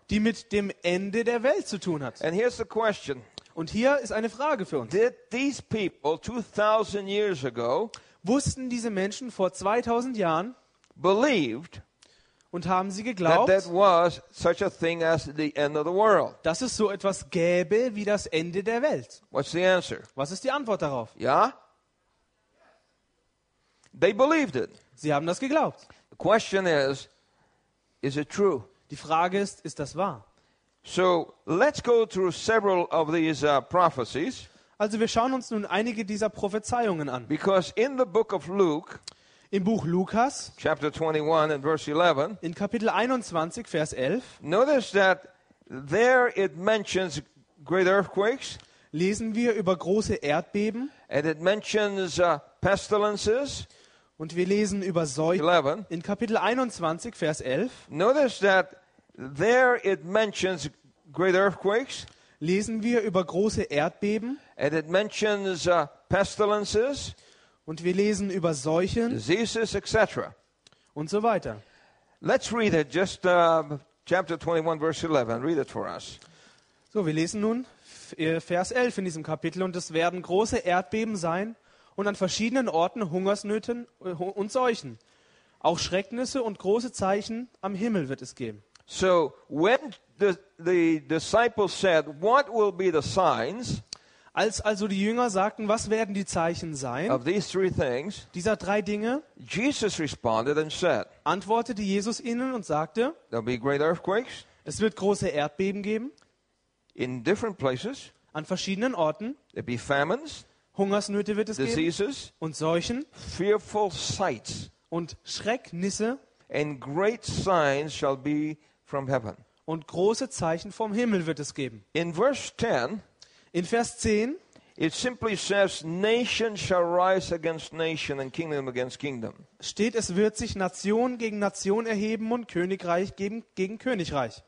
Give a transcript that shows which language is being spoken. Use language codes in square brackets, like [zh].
[de] Die mit dem Ende der Welt zu tun hat. [en] And here's the question. [de] Und hier ist eine Frage für uns. [en] Did these people 2000 years ago, [de] wussten diese Menschen vor 2000 Jahren, [en] believed, [de] und haben sie geglaubt, [en] that there was such a thing as the end of the world? [de] Dass es so etwas gäbe wie das Ende der Welt. [en] What's the answer? [de] Was ist die Antwort darauf? Ja. [en] They believed it. [de] Sie haben das geglaubt. [en] The question is it true? [de] Die Frage ist das wahr? [en] So, let's go through several of these prophecies. [de] Also wir schauen uns nun einige dieser Prophezeiungen an. [en] Because in the book of Luke, [de] im Buch Lukas, [en] chapter 21 and verse 11, [de] in Kapitel 21, Vers 11, [en] notice that there it mentions great earthquakes. [de] Lesen wir über große Erdbeben. [en] And it mentions pestilences. [de] Und wir lesen über Seuchen in Kapitel 21, Vers 11. [en] Notice that there it mentions great earthquakes. [de] Lesen wir über große Erdbeben. [en] And it mentions pestilences. [de] Und wir lesen über Seuchen. [en] Diseases, etc. [de] Und so weiter. [en] Let's read it, just chapter 21, verse 11. Read it for us. [de] So, wir lesen nun Vers 11 in diesem Kapitel. Und es werden große Erdbeben sein. Und an verschiedenen Orten Hungersnöten und Seuchen. Auch Schrecknisse und große Zeichen am Himmel wird es geben. [en] So, when the disciples said, what will be the signs? [de] Als also die Jünger sagten, was werden die Zeichen sein? [en] Of these three things, [de] dieser drei Dinge. [en] Jesus responded and said, [de] antwortete Jesus ihnen und sagte, [en] there'll be great earthquakes. [de] Es wird große Erdbeben geben. [en] In different places. [de] An verschiedenen Orten. [en] There'll be famines. [de] Hungersnöte wird es [en] diseases, [de] geben und Seuchen, [en] fearful sights, [de] und Schrecknisse, [en] and great signs shall be from heaven, [de] und große Zeichen vom Himmel wird es geben. [en] In verse 10, [de] in Vers 10, [en] it simply says, nation shall rise against nation and kingdom against kingdom. [de] Steht, es wird sich Nation gegen Nation erheben und Königreich gegen Königreich.